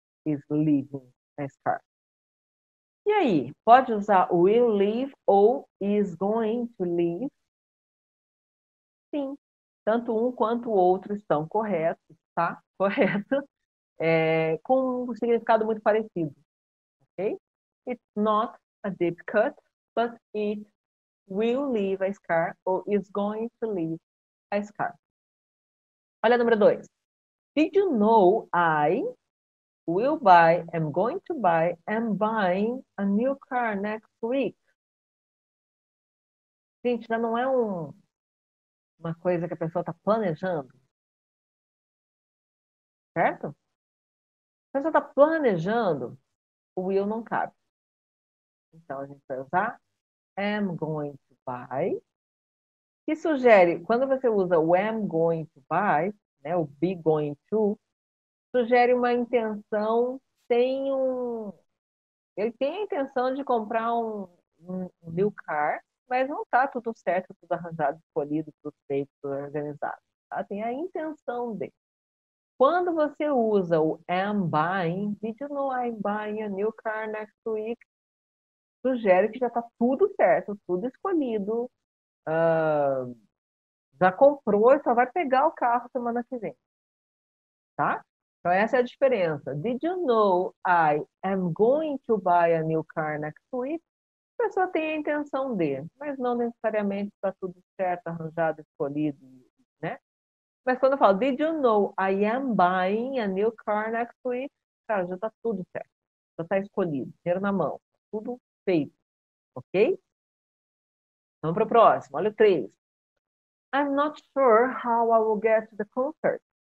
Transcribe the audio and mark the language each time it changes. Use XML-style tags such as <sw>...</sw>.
<en>Is living a scar.</en> <pt>E aí, pode usar</pt> <en>will live ou is going to live?</en> <pt>Sim, tanto um quanto o outro estão corretos, tá? Correto, com um significado muito parecido. Ok?</pt> <en>It's not a deep cut, but it will leave a scar or is going to leave. Scar.</en> <pt>Olha, número 2.</pt> <en>Did you know I will buy, am going to buy, am buying a new car next week?</en> <pt>Gente, já não é uma coisa que a pessoa está planejando. Certo? A pessoa está planejando, o will não cabe. Então, a gente vai usar</pt> <en>am going to buy.</en> <pt>Que sugere, quando você usa o</pt> <en>am going to buy,</en> <pt>né, o be going to, sugere uma intenção sem um. Ele tem a intenção de comprar um new car, mas não está tudo certo, tudo arranjado, escolhido, tudo feito, tudo organizado. Tá? Tem a intenção de. Quando você usa o</pt> <en>am buying, did you know I'm buying a new car next week?</en> <pt>Sugere que já está tudo certo, tudo escolhido. Já comprou e só vai pegar o carro semana que vem. Tá? Então, essa é a diferença.</pt> <en>Did you know I am going to buy a new car next week?</en> <pt>A pessoa tem a intenção de, mas não necessariamente está tudo certo, arranjado, escolhido, né? Mas quando eu falo,</pt> <en>did you know I am buying a new car next week?</en> <pt>Cara, já está tudo certo. Já está escolhido, dinheiro na mão, tudo feito. Ok? Vamos para o próximo. Olha o 3.</pt> <en>I'm not sure how I will get to the concert.</en>